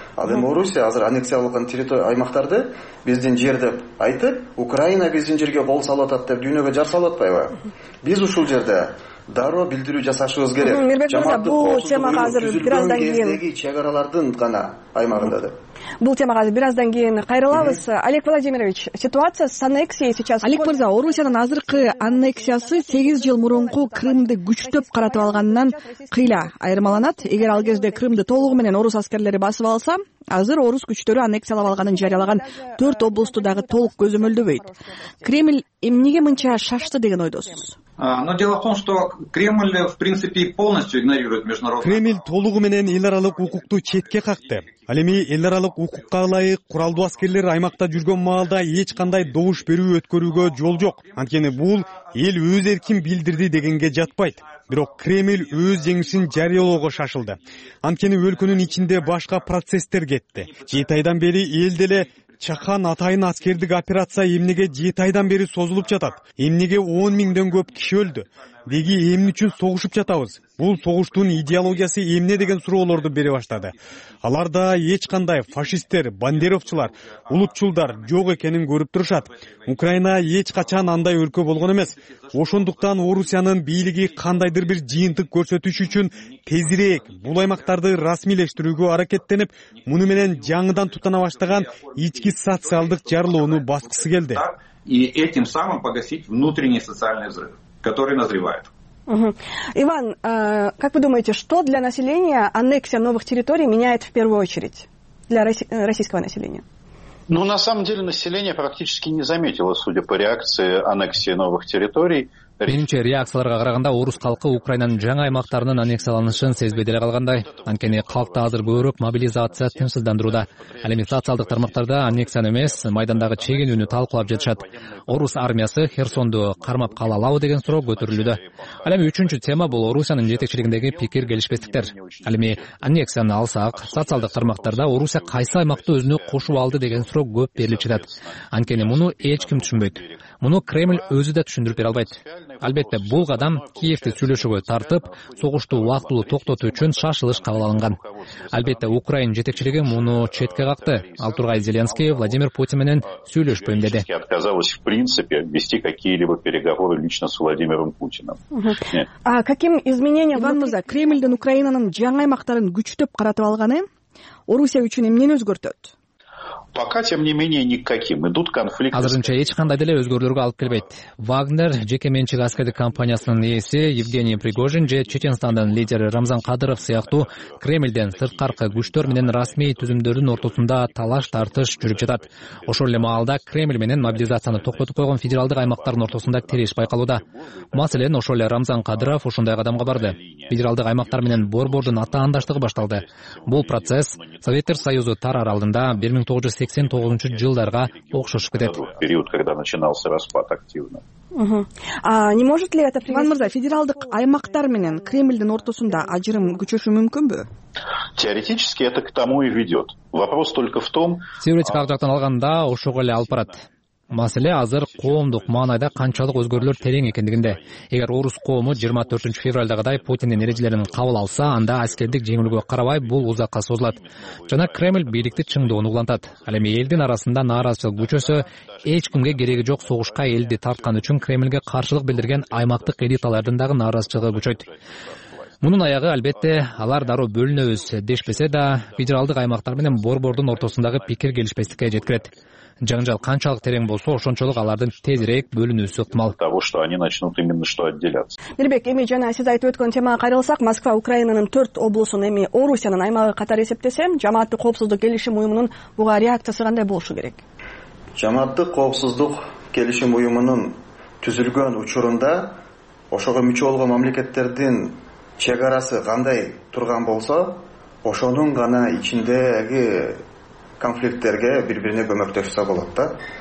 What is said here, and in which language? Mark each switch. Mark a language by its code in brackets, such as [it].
[ky] Ал эми Орусия азыр аннексиялаган территория аймактарды биздин жер деп айтып, Украина биздин жерге кол салып атат деп дүйнөгө жар салып атпайбы? Биз ушул жерде дароо билдирүү жасашыбыз керек. Мирбек Мырза, бул темага азыр бир аздан кийин чек аралардын гана аймагында деп. Бул темага азыр бир аздан кийин кайрылабыз. [ru] Олег Владимирович, ситуация с аннексией сейчас. [ky] Олег Мырза, Орусиянын азыркы аннексиясы 8 жыл мурунку Крымды күчтөп каратып алганынан кыйла айырмаланат. Эгер ал кезде Крымды толугу менен орус аскерлери басып алса, азыр орус күчтөрү аннексиялап алганын жарыялаган 4 облусту дагы толук көзөмөлдөбөйт. Кремль эмнеге мынча шашты деген ойдосуз? [ru] Но дело в том, что Кремль в принципе полностью игнорирует международные. [ky] Кремль толугу менен эл аралык укукту четке какты. Ал эми эл аралык укукка ылайык куралдуу аскерлер аймакта жүргөн маалда эч кандай добуш берүү өткөрүүгө жол жок. Анткени бул эл өз эркин билдирди дегенге жатпайт. Бирок Кремль өз жеңишин жарыялоого шашылды. Анткени өлкөнүн ичинде башка процесстер кетти. Жети айдан бери эл деле Чахан атайын аскердик операция эмнеге жети айдан бери созулуп жатат? Эмнеге 10,000 көп киши өлдү? Деги эмне үчүн согушуп жатабыз? Бул согуштун идеологиясы эмне деген суроолорду бере баштады. Аларда эч кандай фашисттер, бандеровчулар, улутчулдар жок экенин көрүп турушат. Украина эч качан андай өлкө болгон эмес. Ошондуктан Орусиянын бийлиги кандайдыр бир жыйынтык көрсөтүш үчүн тезирээк бул аймактарды расмийлештирүүгө аракеттенип, муну менен жаңыдан тутана баштаган ички социалдык жарылууну баскысы келди. [ru] И этим самым погасить внутренний социальный взрыв, который назревает. Иван, как вы думаете, что для населения аннексия новых территорий меняет в первую очередь для российского населения? Ну, на самом деле, население практически не заметило, судя по реакции аннексии новых территорий. [ky] Биринчи реакцияларга караганда орус калкы Украинанын жаңы аймактарынын аннексияланышын сезбей деле калгандай. Анткени калкта азыр көбүрөөк мобилизация тынчсыздандырууда. Ал эми социалдык тармактарда аннексияны эмес, майдандагы чегинүүнү талкуулап жатышат. Орус армиясы Херсонду кармап кала алабы деген суроо көтөрүлүүдө. Ал эми үчүнчү тема бул Орусиянын жетекчилигиндеги пикир келишпестиктер. Ал эми аннексияны алсак, социалдык тармактарда Орусия кайсы аймакты өзүнө кошуп алды деген суроо көп берилип жатат. Анткени муну эч ким түшүнбөйт. Муну Кремль өзү да түшүндүрүп бере албайт. Албетте, бул кадам Киевди сүйлөшүүгө тартып, согушту убактылуу токтотуу үчүн шашылыш кабыл алынган. Албетте, Украина жетекчилиги муну четке какты. Ал тургай Зеленский Владимир Путин менен сүйлөшпөйм деди. [ru] Отказалась в принципе вести какие-либо переговоры лично с Владимиром Путиным. А каким изменениям [ky] Ванмуза Кремлден Украинанын жаңы аймактарын күчтөп каратып алганы Орусия үчүн эмнени өзгөртөт? [ru] Пока, тем не менее, никаким. Идут конфликты. [ky] Азырынча эч кандай деле өзгөрүүлөргө алып келбейт. Вагнер, жеке менчик аскердик компаниясынын ээси Евгений Пригожин же Чеченстандын лидери Рамзан Кадыров сыяктуу Кремлден сырткаркы күчтөр менен расмий түзүмдөрдүн ортосунда талаш тартыш жүрүп жатат. Ошол эле маалда Кремль менен мобилизацияны токтотуп койгон федералдык аймактардын ортосунда териш байкалууда. Маселен, ошол эле Рамзан Кадыров ушундай кадамга барды. Федералдык аймактар менен борбордун атаандаштыгы башталды. Бул процесс Советтер Союзу тарар алдында 1989 жылдарга окшошуп кетет. [ru] Период, когда начинался распад активно. А не может ли это [ky] Иван Мырза, федералдык аймактар менен Кремлдин ортосунда ажырым күчөшү мүмкүнбү? [ru] Теоретически это к тому и ведет. Вопрос только в том, [ky] теоретикалык жактан алганда ошого эле алып барат. Маселе азыр коомдук маанайда канчалык өзгөрүүлөр терең экендигинде. Эгер орус коому 24 февралдагыдай Путиндин эрежелерин кабыл алса, анда аскердик жеңилүүгө карабай бул узакка созулат. Жана Кремль бийликти чыңдоону улантат. Ал эми элдин арасында нааразычылык күчөсө, эч кимге кереги жок согушка элди тарткан үчүн Кремлге каршылык билдирген аймактык элиталардын дагы нааразычылыгы күчөйт. Мунун аягы албетте алар дароо бөлүнөбүз дешпесе да, федералдык аймактар менен борбордун ортосундагы пикир келишпестикке жеткирет. Жаңжал канчалык терең болсо, ошончолук алардын тезирээк бөлүнүүсү ыктымал. [ru] Того, что они начнут именно что отделяться. [ky] Мирбек, эми жана сиз айтып өткөн темага кайрылсак, Москва Украинанын 4 облусун эми Орусиянын аймагы катары эсептесем, жамааттык коопсуздук келишим уюмунун буга реакциясы кандай болушу керек? Жамааттык коопсуздук келишим уюмунун түзүлгөн учурунда ошого мүчө болгон мамлекеттердин чек арасы кандай турган болсо, ошонун гана ичиндеги конфликттерге бир-бирине көмөктөшсө болот да.